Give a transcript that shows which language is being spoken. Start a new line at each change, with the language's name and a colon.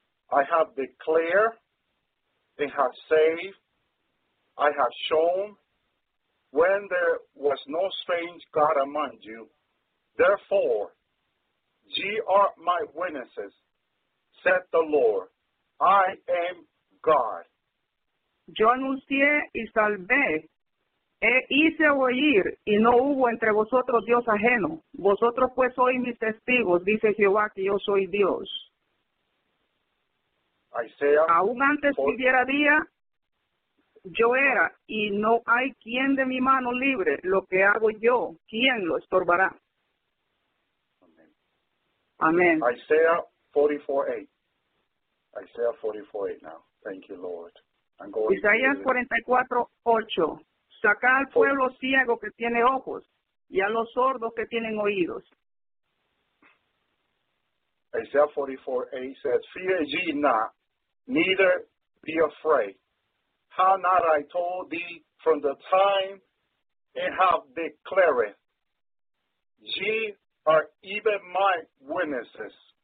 English: I have declared and have saved. I have shown when there was no strange God among you. Therefore, ye are my witnesses, saith the Lord. I am God.
Spanish: Yo anuncié y salvé, e hice oír, y no hubo entre vosotros Dios ajeno. Vosotros pues sois mis testigos, dice Jehová, que yo soy Dios.
English: Isaiah,
Spanish: aún antes que hubiera día, yo era, y no hay quien de mi mano libre. Lo que hago yo, ¿quién lo estorbará? Amén.
English: Isaiah 44:8 now. Thank you, Lord.
Spanish: Isaías 44:8. Saca al pueblo ciego que tiene ojos y a los sordos que tienen oídos.
English: Isaiah 44:8 says, fear ye not, neither be afraid. How not I told thee from the time and have declared, ye are even my witnesses.